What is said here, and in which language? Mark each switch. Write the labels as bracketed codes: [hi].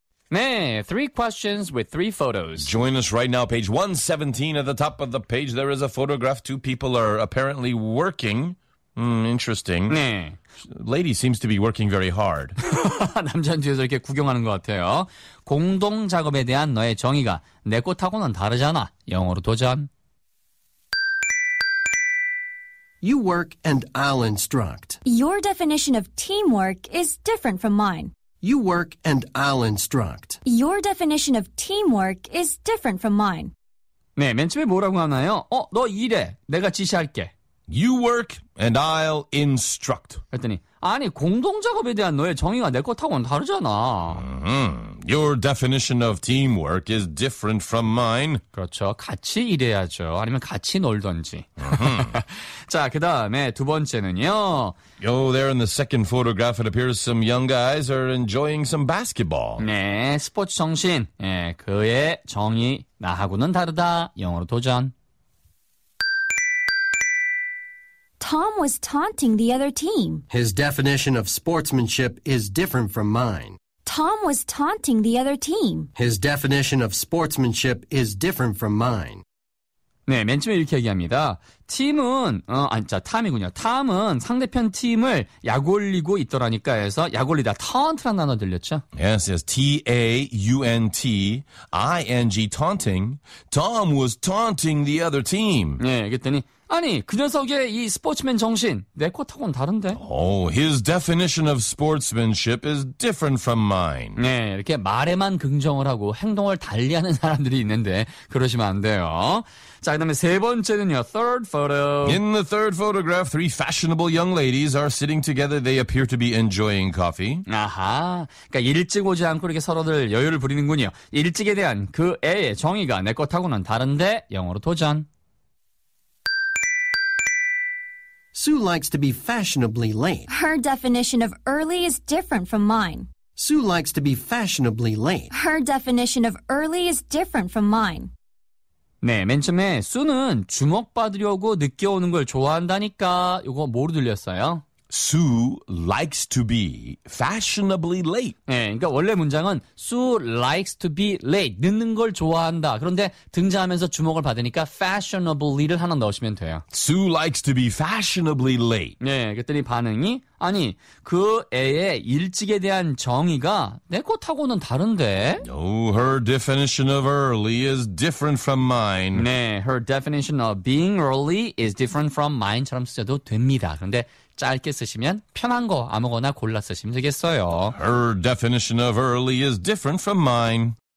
[en] 네, three questions with three photos. Join us right now, page 117. At the top of the page, there is a photograph. Two people are apparently working. Interesting. [ko] 네. [en] Lady seems to be working very hard. [ko] 남자는 뒤에서 이렇게 구경하는 것 같아요. 공동 작업에 대한 너의 정의가 내 것하고는 다르잖아. 영어로 도전. [en] You work and I'll instruct. Your definition of teamwork is different from mine. You work and I'll instruct. Your definition of teamwork is different from mine. [ko] 네, 맨 처음에 뭐라고 하나요? 너 일해. 내가 지시할게. [en] You work and I'll instruct. [ko] 했더니 아니 공동 작업에 대한 너의 정의가 내 것하고는 다르잖아. [en] Your definition of teamwork is different from mine. [ko] 그렇죠. 같이 일해야죠. 아니면 같이 놀던지. 자, 그 다음에 두 번째는요. [en] Yo, there in the second photograph, it appears some young guys are enjoying some basketball. [ko] 네, 스포츠 정신. 네, 그의 정의 나하고는 다르다. 영어로 도전. [en] Tom was taunting the other team. His definition of sportsmanship is different from mine. Tom was taunting the other team. His definition of sportsmanship is different from mine. [ko] 네, 맨 처음에 이렇게 얘기합니다. 팀은 탐이군요. 탐은 상대편 팀을 약올리고 있더라니까 해서 약올리다 taunt라는 단어 들렸죠? [en] Yes, yes. T-A-U-N-T-I-N-G, taunting. Tom was taunting the other team. [ko] 네, 그랬더니 아니, 그 녀석의 이 스포츠맨 정신, 내 것하고는 다른데. [en] Oh, his definition of sportsmanship is different from mine. [ko] 네, 이렇게 말에만 긍정을 하고 행동을 달리하는 사람들이 있는데 그러시면 안 돼요. 자, 그 다음에 세 번째는요. [en] Third photo. In the third photograph, three fashionable young ladies are sitting together. They appear to be enjoying coffee. [ko] 아하, 그러니까 일찍 오지 않고 이렇게 서로들 여유를 부리는군요. 일찍에 대한 그 애의 정의가 내 것하고는 다른데, 영어로 도전. [en] Sue likes to be fashionably late. Her definition of early is different from mine. Sue likes to be fashionably late. Her definition of early is different from mine. [ko] 네, 맨 처음에 Sue는 주목받으려고 늦게 오는 걸 좋아한다니까 이거 뭐로 들렸어요? [en] Sue likes to be fashionably late. [ko] 네, 그러니까 원래 문장은 [en] Sue likes to be late. [ko] 늦는 걸 좋아한다. 그런데 등장하면서 주목을 받으니까 fashionably를 하나 넣으시면 돼요. [en] Sue likes to be fashionably late. [ko] 네, 그랬더니 반응이 아니, 그 애의 일찍에 대한 정의가 내 것하고는 다른데. [en] Oh, her definition of early is different from mine. 네, her definition of being early is different from mine처럼 [ko] 쓰셔도 됩니다. 그런데 짧게 쓰시면 편한 거 아무거나 골라 쓰시면 되겠어요. [en] Her definition of early is different from mine.